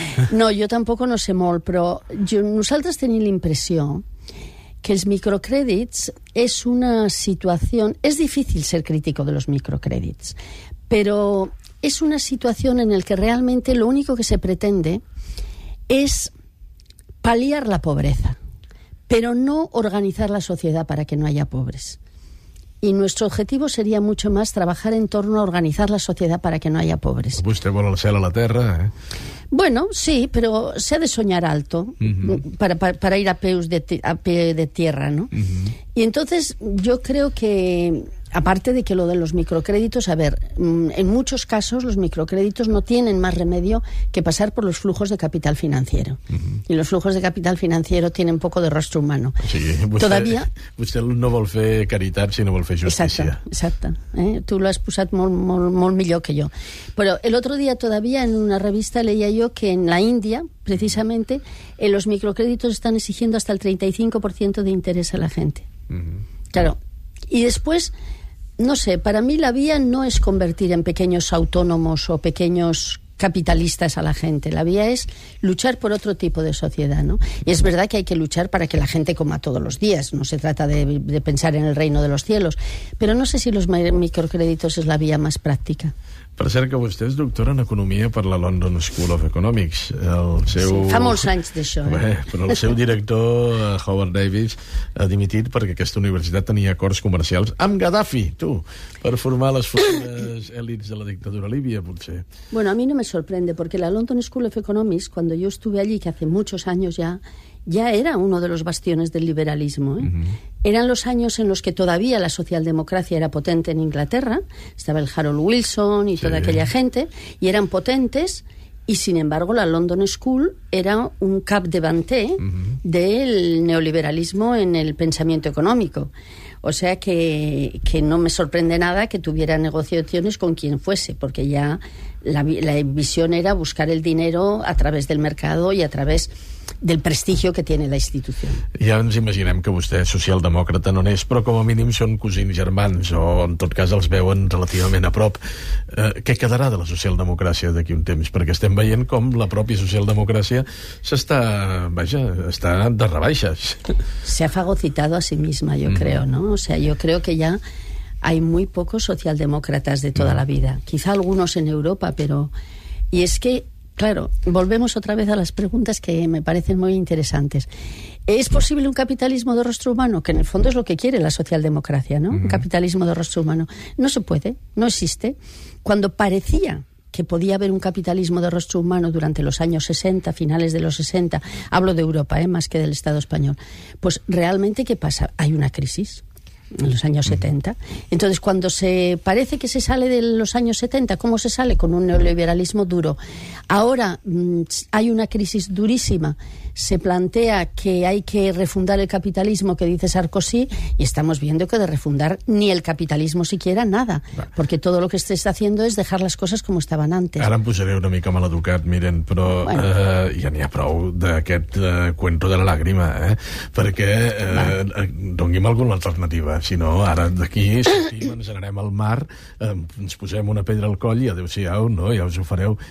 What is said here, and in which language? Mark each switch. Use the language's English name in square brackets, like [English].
[Catalan] No, jo tampoc no sé molt, però jo, nosaltres tenim l'impressió que els microcrèdits és una situació... És difícil ser crític de los microcrèdits, però és una situació en la que realment l'únic que [Spanish] se pretende [Catalan] és paliar la pobresa, però no organitzar la societat perquè no hi hagi pobres. [Spanish] Y nuestro objetivo sería mucho más trabajar en torno a organizar la sociedad para que no haya pobres. [Catalan] Vostè vol el cel a la terra, eh? [Spanish] Bueno, sí, pero se ha de soñar alto para ir a pie de tierra, ¿no? Y entonces yo creo que, aparte de que lo de los microcréditos, a ver, en muchos casos los microcréditos no tienen más remedio que pasar por los flujos de capital financiero. Y los flujos de capital financiero tienen poco de rostro humano. [Catalan] Sí, vostè, todavía... Vostè no vol fer caritat, sinó vol fer justícia. Exacte. Tu l'has posat molt millor que jo. Però [Spanish] el otro día todavía en una revista leía yo que en la India, precisamente, los microcréditos están exigiendo hasta el 35% de interés a la gente. Claro. Y después, no sé, para mí la vía no es convertir en pequeños autónomos o pequeños capitalistas a la gente. La vía es luchar por otro tipo de sociedad, ¿no? Y es verdad que hay que luchar para que la gente coma todos los días. No se trata de pensar en el reino de los cielos. Pero no sé si los microcréditos es la vía más práctica. [Catalan] Per cert, que vostè és doctora en Economia per la London School of Economics. Sí, fa molts anys d'això. Però el seu director, Howard Davis, ha dimitit perquè aquesta universitat tenia acords comercials amb Gaddafi, tu, per formar les futures élites de la dictadura líbia, potser. [Spanish] Bueno, a mi no me sorprende, [Catalan] perquè [Spanish] la London School of Economics, [Catalan] quan jo [Spanish] estuve allí, que hace muchos años ya, ya era uno de los bastiones del liberalismo, ¿eh? Eran los años en los que todavía la socialdemocracia era potente en Inglaterra, estaba el Harold Wilson y toda aquella gente, y eran potentes, y sin embargo la London School era un cap de vanté del neoliberalismo en el pensamiento económico. O sea que no me sorprende nada que tuviera negociaciones con quien fuese, porque ya la visión era buscar el dinero a través del mercado y a través del prestigio que tiene la institución. [Catalan] Ja ens imaginem que vostè socialdemòcrata no n'és, però com a mínim són cosins germans, o en tot cas els veuen relativament a prop. Què quedarà de la socialdemocràcia d'aquí un temps? Perquè estem veient com la pròpia socialdemocràcia s'està, vaja, està de rebaixes. [Spanish] Se ha fagocitado a sí misma, yo creo, ¿no? O sea, yo creo que ya hay muy pocos socialdemócratas de toda la vida. Quizá algunos en Europa, pero... Y es que, claro, volvemos otra vez a las preguntas que me parecen muy interesantes. ¿Es posible un capitalismo de rostro humano? Que en el fondo es lo que quiere la socialdemocracia, ¿no? Un capitalismo de rostro humano. No se puede, no existe. Cuando parecía que podía haber un capitalismo de rostro humano durante los años 60, finales de los 60, hablo de Europa, más que del Estado español, pues realmente, ¿qué pasa? Hay una crisis en los años 70. Entonces, cuando se parece que se sale de los años 70, ¿cómo se sale? Con un neoliberalismo duro. Ahora hay una crisis durísima. Se plantea que hay que refundar el capitalismo, que dice Sarkozy, y estamos viendo que de refundar ni el capitalismo siquiera nada, porque todo lo que se está haciendo es dejar las cosas como estaban antes. [Catalan] Ara em posaré una mica maleducat, miren, però ja n'hi ha prou d'aquest [Spanish] cuento de la lágrima, [Catalan] perquè doni'm alguna alternativa, si no, ara d'aquí sortim, ens anarem al mar, ens posem una pedra al coll i adéu-siau, no? Ja us ho fareu.